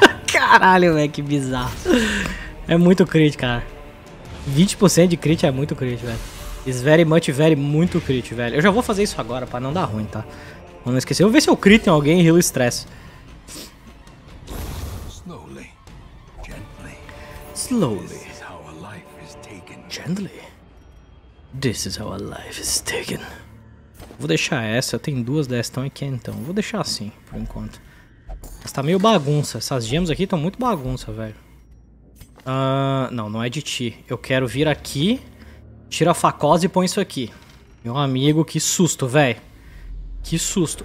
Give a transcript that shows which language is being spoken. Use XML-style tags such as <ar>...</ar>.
<pt>Caralho, velho, que bizarro. É muito crit, cara. 20% de crit é muito crit, velho.</pt> <en>It's very much, very,</en> <pt>muito crit, velho. Eu já vou fazer isso agora pra não dar ruim, tá? Vamos não esquecer. Eu vou ver se eu crit em alguém e heal stress.</pt> <en>Slowly. Gently. Slowly. This is how a life is taken. Gently. This is how a life is taken.</en> <pt>Vou deixar essa. Tem duas dessas, estão aqui então. Vou deixar assim, por enquanto. Mas tá meio bagunça. Essas gemas aqui estão muito bagunça, velho. Não, não é de ti. Eu quero vir aqui, tira a facosa e põe isso aqui. Meu amigo, que susto, velho. Que susto.</pt>